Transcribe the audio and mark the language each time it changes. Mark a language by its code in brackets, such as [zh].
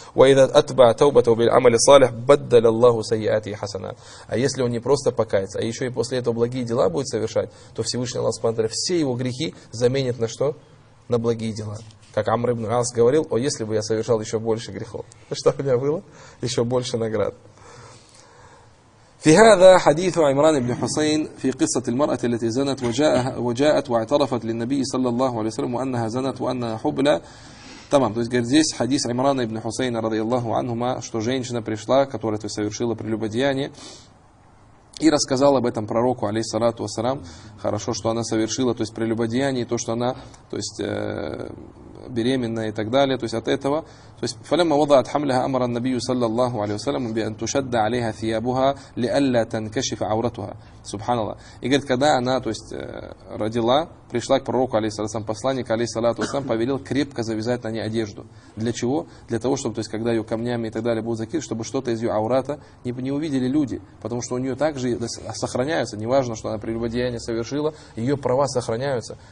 [ar] وَإِذَا أَتْبَعَ تَوْبَةً بِالْعَمَلِ صَالِحٍ بَدَّلَ اللَّهُ سَيِّئَاتِهِ حَسَنَاتٍ. [ru] А если он не просто покается, а еще и после этого благие дела будет совершать, то Всевышний Аллах Субхану Тааля все его грехи заменит на что? На благие дела. Как Амр ибн Ас говорил: «О, если бы я совершал еще больше грехов, что у меня было? Еще больше наград». [ar] في هذا حديث عمران بن حسين في قصة المرأة التي زنت وجاءت واعترفت للنبي صلى الله عليه وسلم وأنها زنت وأن حبلى تمام. [ru] То есть говорит, здесь хадис Имрана ибн Хусейна [ar] رضي الله عنه, [ru] что женщина пришла, которая то совершила прелюбодеяние, и рассказала об этом пророку алейхиссалату вассалам. Хорошо, что она совершила, то есть прелюбодеяние, то что она, то есть беременна и так далее, то есть от этого. То есть [ar] فلما وضعت حملها امر النبي صلى الله عليه وسلم بان تشد عليها ثيابها لالا تنكشف عورتها. Субханаллах. [ru] И говорит, когда она, то есть родила, пришла к пророку алейхиссалату, посланник алейхиссалату вассалам повелел крепко завязать на ней одежду. Для чего? Для того, чтобы, то есть когда ее камнями и так далее будут закрыты, чтобы что-то из ее аурата не увидели люди, потому что у нее также сохраняются, неважно, что она прелюбодеяние совершила, ее права сохраняются.